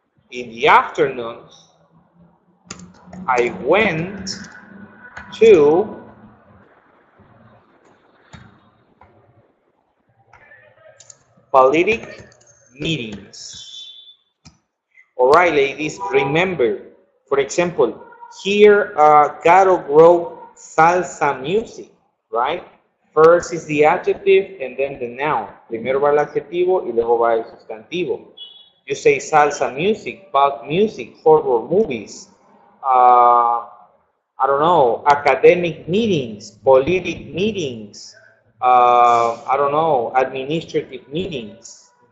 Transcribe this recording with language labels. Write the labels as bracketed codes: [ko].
[en] In the afternoons, I went to politic meetings. All right, ladies, remember, for example, here, Caro wrote salsa music, right? First is the adjective and then the noun. [es] Primero va el adjetivo y luego va el sustantivo. [en] You say salsa music, pop music, horror movies, I don't know, academic meetings, political meetings, I don't know, administrative meetings.